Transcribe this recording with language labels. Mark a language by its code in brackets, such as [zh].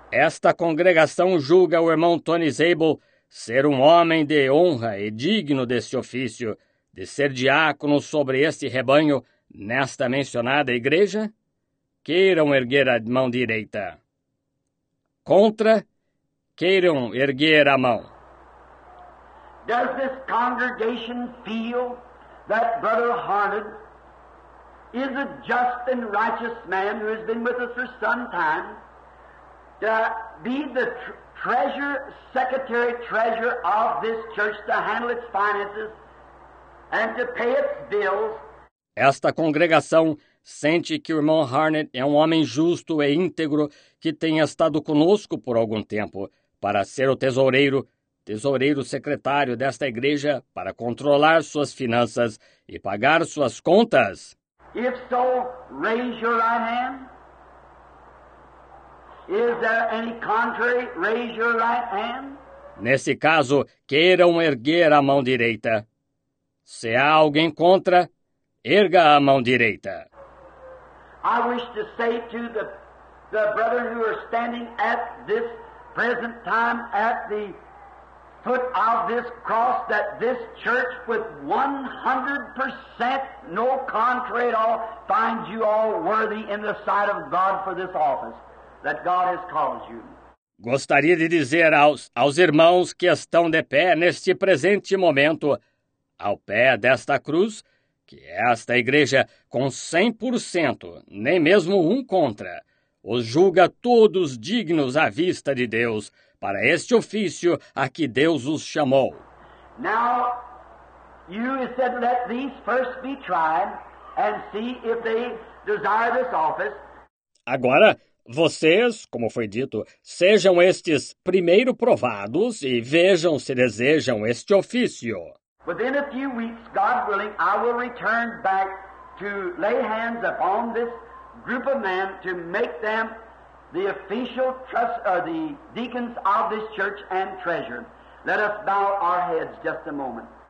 [pt] Esta congregação julga o irmão Tony Zabel ser um homem de honra e digno deste ofício de ser diácono sobre este rebanho nesta mencionada igreja? Queiram erguer a mão direita. Contra, queiram erguer a mão. [en] Does this congregation feel that Brother Harnett is a just and righteous man who has been with us for some time to be the secretary treasurer of this church, to handle its finances and to pay its bills. [pt] Esta congregação sente que o irmão Harnett é um homem justo e íntegro que tem estado conosco por algum tempo para ser o tesoureiro secretário desta igreja, para controlar suas finanças e pagar suas contas. [en] If so, raise your right hand. Is there any contrary? Raise your right hand. [pt] Nesse caso, queiram erguer a mão direita. Se há alguém contra, erga a mão direita. [en] I wish to say to the brethren who are standing at this present time at the foot of this cross that this church with 100% no contrary at all finds you all worthy in the sight of God for this office that God has called you. [pt] Gostaria de dizer aos irmãos que estão de pé neste presente momento, ao pé desta cruz, que esta igreja, com 100%, nem mesmo um contra, os julga todos dignos à vista de Deus para este ofício a que Deus os chamou. [en] Now, you said let these first be tried and see if they desire this office. [pt] Agora, vocês, como foi dito, sejam estes primeiro provados e vejam se desejam este ofício. [en] Within a few weeks, God willing, I will return back to lay hands upon this group of men to make them the official the deacons of this church and treasurer. Let us bow our heads just a moment.